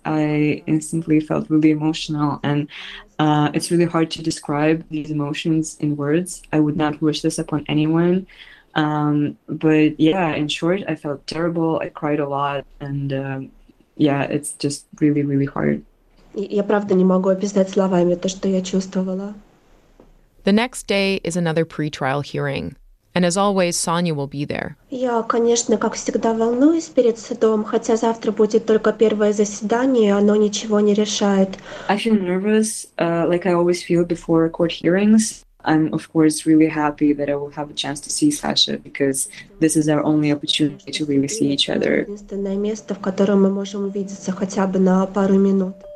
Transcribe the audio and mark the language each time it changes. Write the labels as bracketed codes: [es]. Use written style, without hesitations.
[en] I instantly felt really emotional, and it's really hard to describe these emotions in words. I would not wish this upon anyone. But yeah, in short, I felt terrible. I cried a lot, and yeah, it's just really, really hard. [ru] Я правда не могу описать словами то, что я чувствовала. [en] The next day is another pre-trial hearing, and as always, Sonia will be there. [ru] Я, конечно, как всегда волнуюсь перед судом, хотя завтра будет только первое заседание, оно ничего не решает. [en] I feel nervous, like I always feel before court hearings. I'm, of course, really happy that I will have a chance to see Sasha, because this is our only opportunity to really see each other. [ru] Единственное место, в котором мы можем увидеться хотя бы на пару минут.